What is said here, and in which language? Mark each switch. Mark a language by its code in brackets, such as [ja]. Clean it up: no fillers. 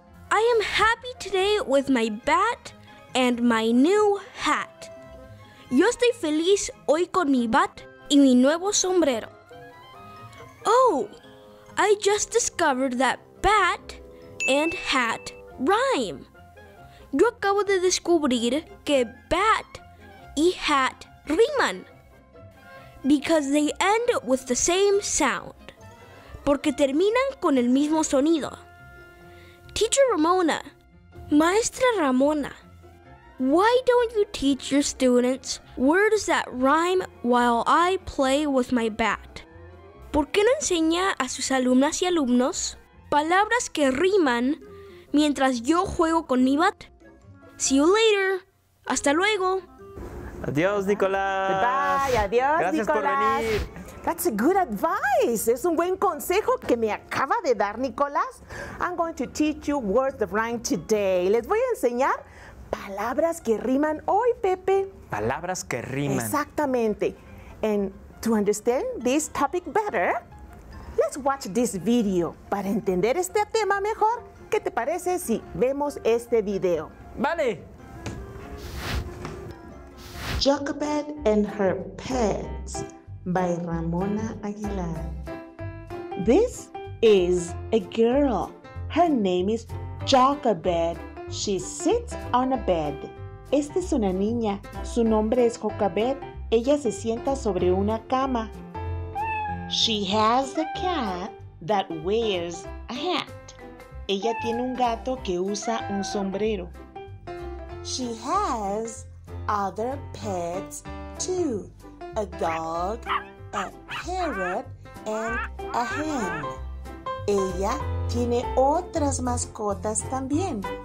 [en] I am happy today with my bat and my new hat. [es] Yo estoy feliz hoy con mi bat y mi nuevo sombrero. [en] Oh, I just discovered that bat and hat rhyme. [es] Yo acabo de descubrir que bat y hat riman. [en] Because they end with the same sound. [es] Porque terminan con el mismo sonido. [en] Teacher Ramona, Maestra Ramona, why don't you teach your students words that rhyme while I play with my bat? [es] ¿por qué no enseña a sus alumnas y alumnos palabras que riman mientras yo juego con Nibat? [en] See you later. [es] Hasta luego. Adiós, Nicolás. [en] Bye. [es] Adiós, gracias, Nicolás. Gracias por venir. [en] That's a good advice. [es] Es un buen consejo que me acaba de dar Nicolás. [en] I'm going to teach you words that rhyme today. [es] Les voy a enseñar palabras que riman hoy, Pepe. Palabras que riman. Exactamente. [en] And to understand this topic better, let's watch this video. [es] Para entender este tema mejor, ¿qué te parece si vemos este video? Vale. [en] Jochebed and her pets by Ramona Aguilar. This is a girl. Her name is Jochebed. She sits on a bed. [es] Esta es una niña. Su nombre es Jochebed. Ella se sienta sobre una cama. [en] She has a cat that wears a hat. [es] Ella tiene un gato que usa un sombrero. [en] She has other pets too. A dog, a parrot, and a hen. [es] Ella tiene otras mascotas también.